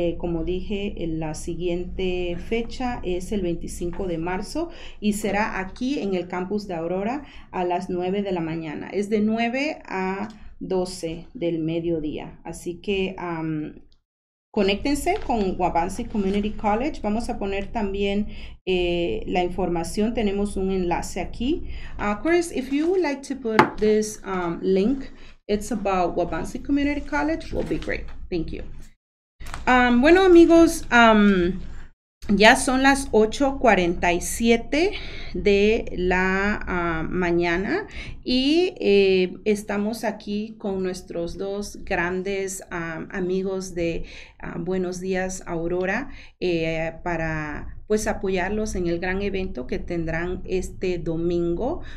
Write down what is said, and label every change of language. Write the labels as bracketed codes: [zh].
[es] Como dije, la siguiente fecha es el 25 de marzo y será aquí en el campus de Aurora a las 9 de la mañana. Es de 9 a 12 del mediodía. Así que conéctense con Wabansee Community College. Vamos a poner también la información. Tenemos un enlace aquí. [en] Chris, if you would like to put this link, it's about Wabansee Community College, will be great. Thank you. [es] Bueno, amigos, ya son las 8:47 de la mañana y estamos aquí con nuestros dos grandes amigos de Buenos Días Aurora para pues apoyarlos en el gran evento que tendrán este domingo.